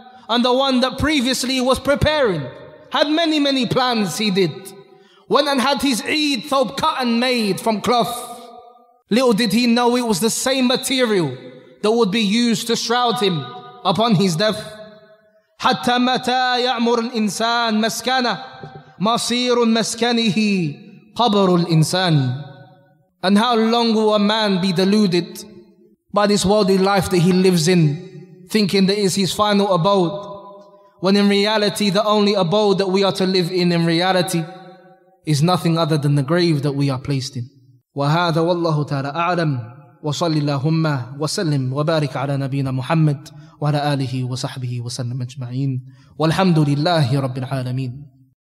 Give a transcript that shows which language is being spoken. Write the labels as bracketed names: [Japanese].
[English] And the one that previously was preparing, had many, many plans he did, went and had his Eid thawb cut and made from cloth, Little did he know it was the same material that would be used to shroud him upon his death. [Arabic] حتى متى يعمر الإنسان مسكنه مصير مسكنه قبر الإنسان. [English] And how long will a man be deluded by this worldly life that he lives in, thinking that it is his final abode, when in reality the only abode that we are to live in reality is nothing other than the grave that we are placed in. [Arabic] وهذا والله تعالى أعلم وصلي اللهم وسلم وبارك على نبينا محمد وعلى آله وصحبه وسلم أجمعين والحمد لله رب العالمين.